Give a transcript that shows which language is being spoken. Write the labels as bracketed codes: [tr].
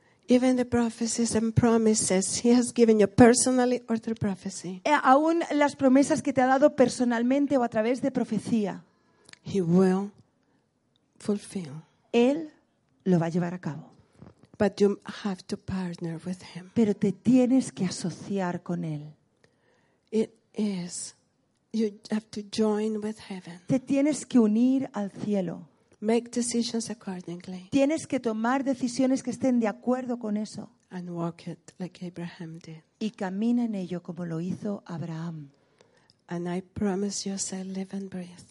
[en] Even the prophecies and promises he has given you personally or through prophecy. [es] Aún las promesas que te ha dado personalmente o a través de profecía. [en] He will fulfill. [es] Él lo va a llevar a cabo. [en] But you have to partner with him. [es] Pero te tienes que asociar con él. [en] It is. You have to join with heaven. [es] Te tienes que unir al cielo. [en] Make decisions accordingly. [es] Tienes que tomar decisiones que estén de acuerdo con eso. [en] And walk it like Abraham did. [es] Y camina en ello como lo hizo Abraham. [en] And I promise you, as I live and breathe.